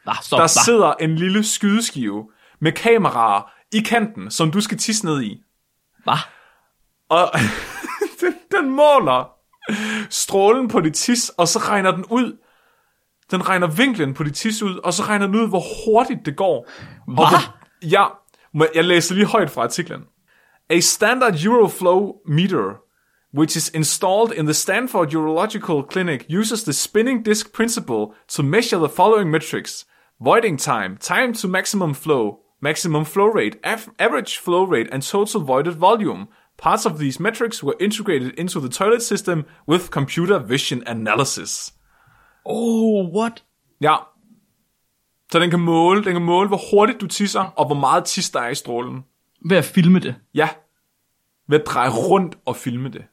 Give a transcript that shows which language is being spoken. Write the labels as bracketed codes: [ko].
[da] Der sidder en lille skydeskive med kameraer i kanten, som du skal tisse ned i. Hvad? Og den måler strålen på dit tis, og så regner den ud. Den regner vinklen på dit tis ud, og så regner den ud, hvor hurtigt det går. Hvad? Jeg læser lige højt fra artiklen. [en] A standard Euroflow meter, which is installed in the Stanford Urological Clinic, uses the spinning disc principle to measure the following metrics: voiding time, time to maximum flow rate, average flow rate, and total voided volume. Parts of these metrics were integrated into the toilet system with computer vision analysis. Oh, what? Yeah. [da] Så den kan måle, hvor hurtigt du tisser, og hvor meget tis der er i strålen. Ved at filme det? Ja. Ved at dreje rundt og filme det.